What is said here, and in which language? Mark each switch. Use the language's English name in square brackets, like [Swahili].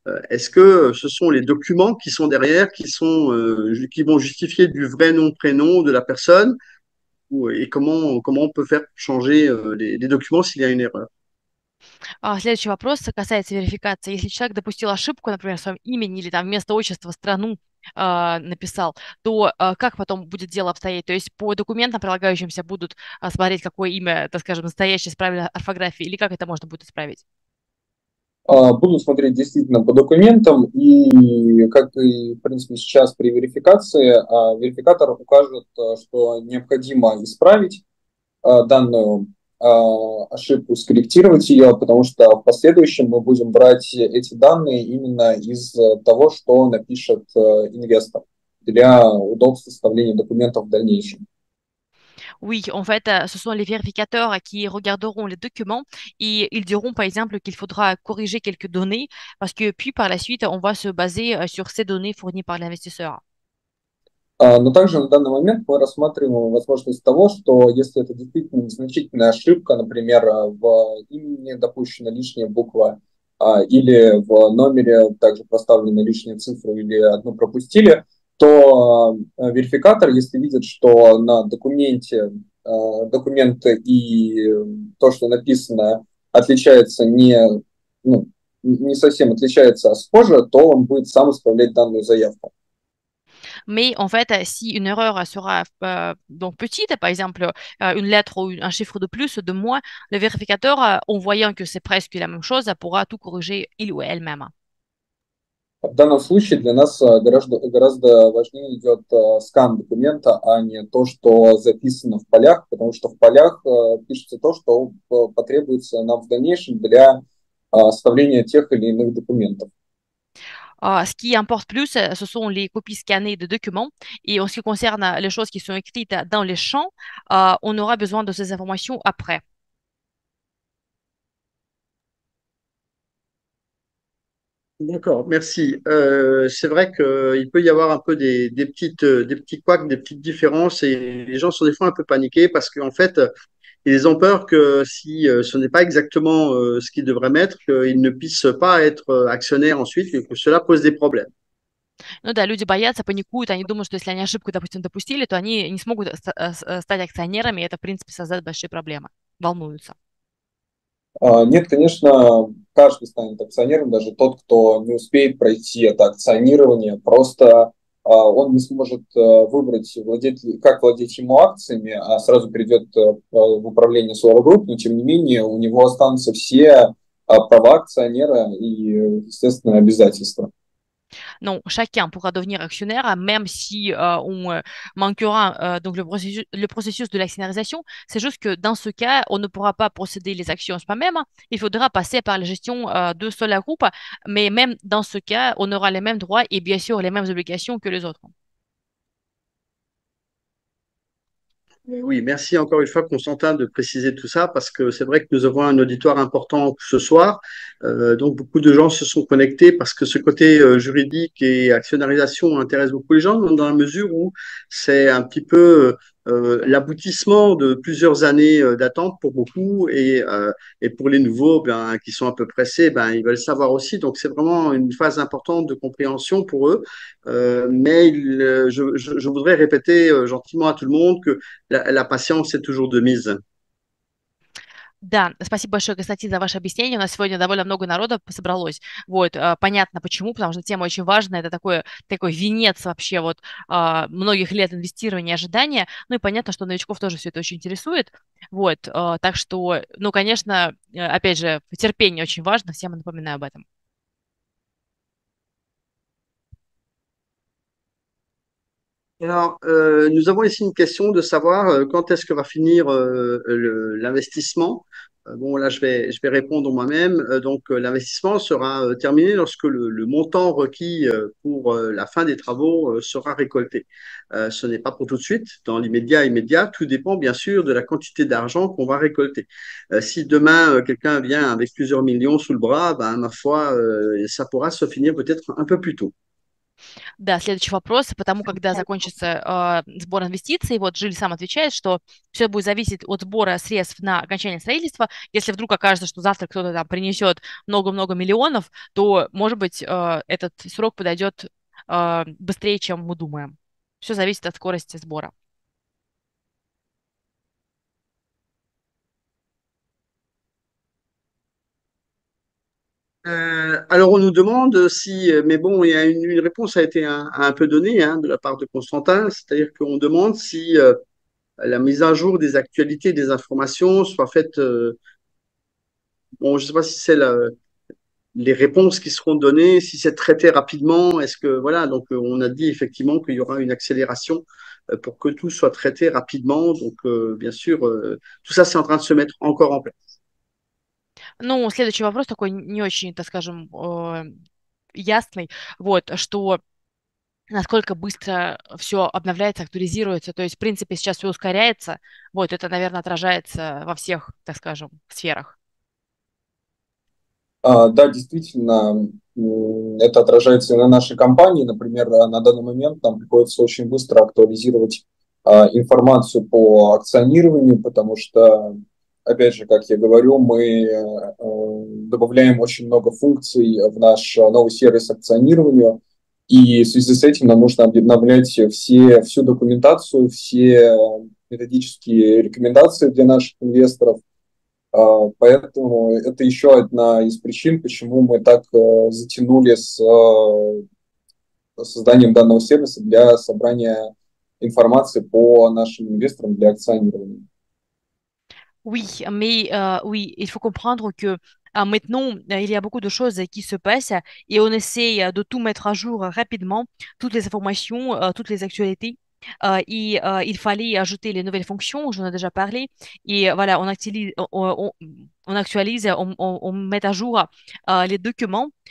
[French] Est-ce que ce sont les documents qui sont derrière, qui vont justifier du vrai nom, prénom de la personne? Et comment on peut faire changer les documents s'il y a une erreur? [Russian] Следующий вопрос касается верификации. Если человек допустил ошибку, например, в своем имени или там вместо отчества страну написал, то как потом будет дело обстоять? То есть по документам прилагающимся будут смотреть, какое имя, так скажем, настоящее с правильной орфографией, или как это можно будет исправить? Буду смотреть действительно по документам, и как и в принципе сейчас при верификации, верификатор укажет, что необходимо исправить данную ошибку, скорректировать ее, потому что в последующем мы будем брать эти данные именно из того, что напишет инвестор для удобства составления документов в дальнейшем. [French] Oui, en fait, ce sont les vérificateurs qui regarderont les documents et ils diront, par exemple, qu'il faudra corriger quelques données parce que puis par la suite, on va se baser sur ces données fournies par l'investisseur. [Russian] Но также на данный момент мы рассматриваем возможность того, что если это действительно незначительная ошибка, например, в имени допущена лишняя буква, или в номере также поставлена лишняя цифра, или одну пропустили, то верификатор, если видит, что на документе документы и то, что написано, отличается не, ну, не совсем отличается, а схоже, то он будет сам исправлять данную заявку. [French] Mais en fait, si une erreur sera donc petite, par exemple une lettre ou un chiffre de plus, de moins, le vérificateur, en voyant que c'est presque la même chose, pourra tout corriger il ou elle-même. [Russian] В данном случае для нас гораздо важнее идет скан документа, а не то, что записано в полях, потому что в полях пишется то, что потребуется нам в дальнейшем для составления тех или иных документов. [French] Ce qui importe plus, ce sont les copies scannées de documents. Et en ce qui concerne les choses qui sont écrites dans les champs, on aura besoin de ces informations après. D'accord, merci. C'est vrai qu'il peut y avoir un peu des petits couacs, des petites différences, et les gens sont des fois un peu paniqués parce qu'en fait, ils ont peur que si ce n'est pas exactement ce qu'ils devraient mettre, qu'ils ne puissent pas être actionnaires ensuite et que cela pose des problèmes. [Russian] Ну да, люди боятся, паникуют, они думают, что если они ошибку, допустим, допустили, то они не смогут стать акционерами, и это, в принципе, создает большие проблемы. Волнуются. Нет, конечно, каждый станет акционером, даже тот, кто не успеет пройти это акционирование, просто он не сможет выбрать, как владеть ему акциями, а сразу перейдет в управление Solar Group, но тем не менее у него останутся все права акционера и, естественно, обязательства. [French] Non, chacun pourra devenir actionnaire, même si on manquera donc le processus de l'actionnarisation. C'est juste que dans ce cas, on ne pourra pas posséder les actions soi-même. Il faudra passer par la gestion de Solar Group. Mais même dans ce cas, on aura les mêmes droits et bien sûr les mêmes obligations que les autres. Oui, merci encore une fois, Constantin, de préciser tout ça, parce que c'est vrai que nous avons un auditoire important ce soir. Donc, beaucoup de gens se sont connectés parce que ce côté juridique et actionnarisation intéresse beaucoup les gens, dans la mesure où c'est un petit peu l'aboutissement de plusieurs années d'attente pour beaucoup. Et pour les nouveaux, ben, qui sont un peu pressés, ben, ils veulent savoir aussi. Donc, c'est vraiment une phase importante de compréhension pour eux. Mais je voudrais répéter gentiment à tout le monde que la patience est toujours de mise. [Russian] Да, спасибо большое, кстати, за ваше объяснение. У нас сегодня довольно много народа собралось. Вот, понятно почему, потому что тема очень важная. Это такой венец вообще вот многих лет инвестирования и ожидания. Ну и понятно, что новичков тоже все это очень интересует. Вот, так что, ну, конечно, опять же, терпение очень важно. Всем напоминаю об этом. [French] Alors, nous avons ici une question de savoir quand est-ce que va finir l'investissement. Bon, là, je vais répondre moi-même. Donc, l'investissement sera terminé lorsque le montant requis pour la fin des travaux sera récolté. Ce n'est pas pour tout de suite, dans l'immédiat, immédiat. Tout dépend, bien sûr, de la quantité d'argent qu'on va récolter. Si demain, quelqu'un vient avec plusieurs millions sous le bras, ben, ma foi, ça pourra se finir peut-être un peu plus tôt. [Russian] Да, следующий вопрос, потому когда закончится сбор инвестиций, вот Жиль сам отвечает, что все будет зависеть от сбора средств на окончание строительства. Если вдруг окажется, что завтра кто-то там принесет много-много миллионов, то, может быть, этот срок подойдет быстрее, чем мы думаем. Все зависит от скорости сбора. [French] Alors on nous demande si, mais bon, il y a une réponse a été un peu donnée hein, de la part de Constantin, c'est-à-dire qu'on demande si la mise à jour des actualités, des informations soit faite. Bon, je ne sais pas si c'est la. les réponses qui seront données, si c'est traité rapidement, est-ce que voilà, donc on a dit effectivement qu'il y aura une accélération pour que tout soit traité rapidement. Donc bien sûr, tout ça c'est en train de se mettre encore en place. [Russian] Ну, следующий вопрос такой не очень, так скажем, ясный. Вот, что насколько быстро все обновляется, актуализируется. То есть, в принципе, сейчас все ускоряется. Вот, это, наверное, отражается во всех, так скажем, сферах. Да, действительно, это отражается и на нашей компании. Например, на данный момент нам приходится очень быстро актуализировать информацию по акционированию, потому что, опять же, как я говорю, мы добавляем очень много функций в наш новый сервис акционирования, и в связи с этим нам нужно обновлять всю документацию, все методические рекомендации для наших инвесторов. Поэтому это еще одна из причин, почему мы так затянули с созданием данного сервиса для собрания информации по нашим инвесторам для акционирования. [French] Oui, mais oui, il faut comprendre que maintenant, il y a beaucoup de choses qui se passent et on essaie de tout mettre à jour rapidement, toutes les informations, toutes les actualités. Et il fallait ajouter les nouvelles fonctions, j'en ai déjà parlé. Et voilà, on actualise, on met à jour les documents.